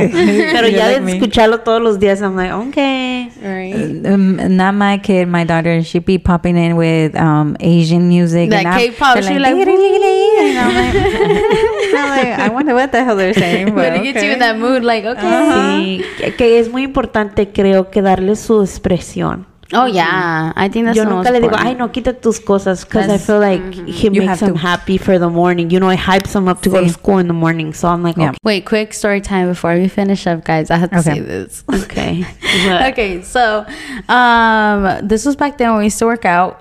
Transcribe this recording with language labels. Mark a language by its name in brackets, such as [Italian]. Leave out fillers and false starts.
[Spanish] Pero ya de escucharlo todos los días, [English] I'm like, okay. Not my kid, my daughter, she be popping in with Asian music. That and K-pop, she like, and I'm like, I wonder what the hell they're saying. But it gets you in that mood, like, okay. [Spanish] Que es muy importante, creo, que darle su expresión. [English] Oh, yeah. I think that's [Spanish] yo nunca le digo, ay, no, quita tus cosas. [English] Because I feel like he makes him happy for the morning. You know, it hypes him up to go to school in the morning. So I'm like, okay. Wait, quick story time before we finish up, guys. I have to say this. Okay. Okay, so this was back then when we used to work out.